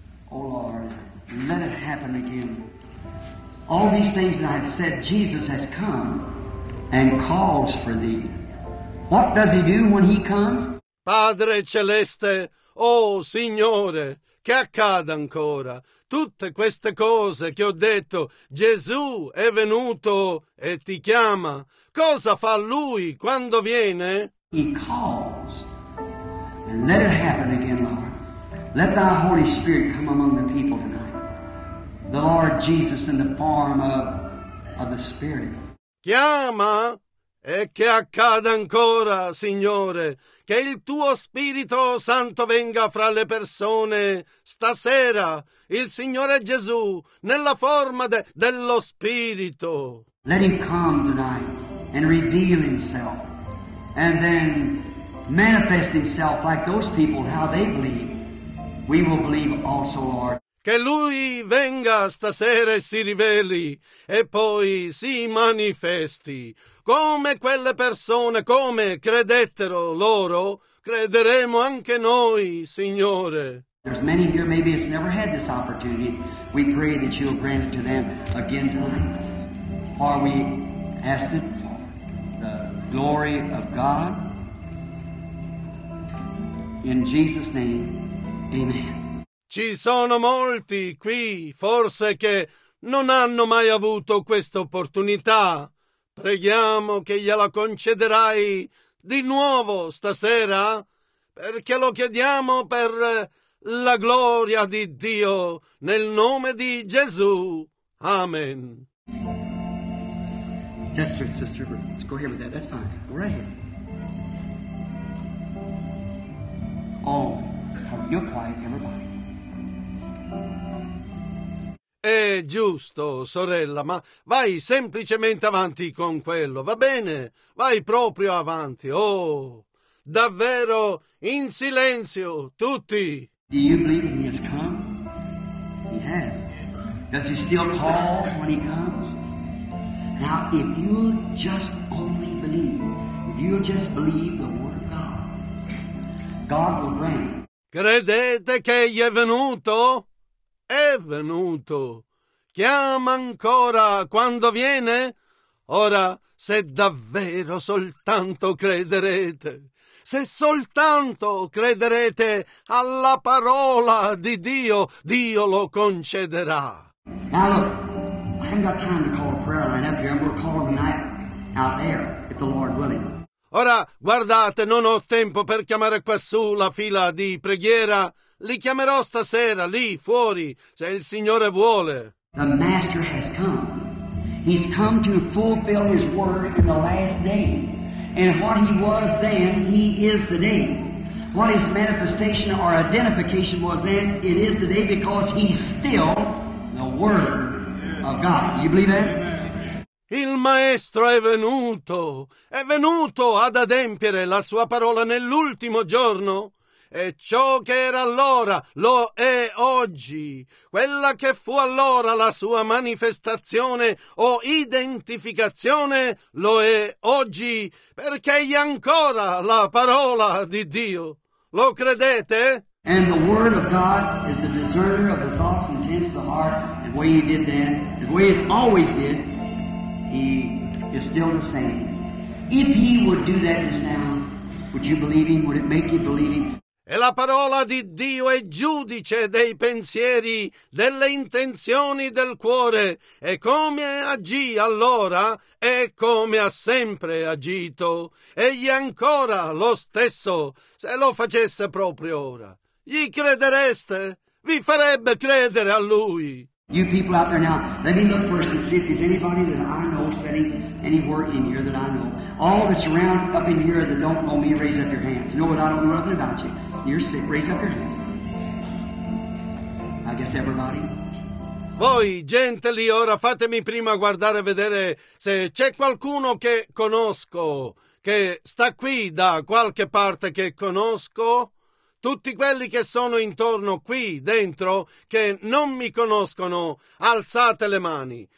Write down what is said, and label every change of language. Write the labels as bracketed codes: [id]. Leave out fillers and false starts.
[en] Oh Lord, let it happen again. All these things that I've said, Jesus has come and calls for thee. What does he do when he comes? [it] Padre celeste, oh Signore, che accada ancora? Tutte queste cose che ho detto, Gesù è venuto e ti chiama. Cosa fa lui quando viene? [en] He calls Let it happen again, Lord. Let thy Holy Spirit come among the people tonight. The Lord Jesus in the form of the Spirit. [it] Chiama e che accada ancora, Signore, che il tuo Spirito Santo venga fra le persone stasera, il Signore Gesù, nella forma dello Spirito. [en] Let him come tonight and reveal himself and then manifest himself like those people, how they believe. We will believe also, Lord. [it] Che lui venga stasera e si riveli e poi si manifesti come quelle persone, come credettero loro, crederemo anche noi, Signore. [en] There's many here, maybe it's never had this opportunity. We pray that you'll grant it to them again tonight. Or we ask it for the glory of God. In Jesus' name, amen. [it] Ci sono molti qui, forse, che non hanno mai avuto questa opportunità. Preghiamo che gliela concederai di nuovo stasera, perché lo chiediamo per la gloria di Dio, nel nome di Gesù. Amen. [en] Yes, sir, sister. Let's go ahead with that. That's fine. Go right ahead. Oh, you're quiet, everybody. [it] È giusto, sorella, ma vai semplicemente avanti con quello, va bene? Vai proprio avanti. Oh, davvero, in silenzio, tutti. [en] Do you believe that he has come? He has. Does he still call when he comes? Now, if you just only believe, if you just believe the word of God, God will bring it. [it] Credete che egli è venuto? È venuto. Chiama ancora quando viene? Ora, se davvero soltanto crederete, se soltanto crederete alla parola di Dio, Dio lo concederà. [en] Now look, I haven't got time to call a prayer line up here. I'm going to call them tonight out there, if the Lord willing. [it] Ora, guardate, non ho tempo per chiamare quassù la fila di preghiera. Li chiamerò stasera, lì, fuori, se il Signore vuole. [en] The Master has come. He's come to fulfill His word in the last day. And what He was then, He is today. What His manifestation or identification was then, it is today because He's still the Word of God. Do you believe that? [it] Il Maestro è venuto ad adempiere la sua parola nell'ultimo giorno, e ciò che era allora lo è oggi. Quella che fu allora la sua manifestazione o identificazione lo è oggi, perché è ancora la parola di Dio. Lo credete? [en] And the word of God is the discerner of the thoughts and intents of the heart, the way he did then, the way he's always did. He is still the same. If he would do that just now, would you believe him? Would it make you believe him? [it] E la parola di Dio è giudice dei pensieri, delle intenzioni del cuore. E come agì allora, e come ha sempre agito. Egli è ancora lo stesso, se lo facesse proprio ora. Gli credereste? Vi farebbe credere a lui. [en] You people out there now, let me look first and see if there's anybody that I know sitting anywhere in here that I know. All that's around up in here that don't know me, raise up your hands. You know what? I don't know nothing about you. You're sick. Raise up your hands. I guess everybody. [it] Voi, gente lì, ora fatemi prima guardare e vedere se c'è qualcuno che conosco, che sta qui da qualche parte che conosco. Tutti quelli che sono intorno qui dentro, che non mi conoscono, alzate le mani.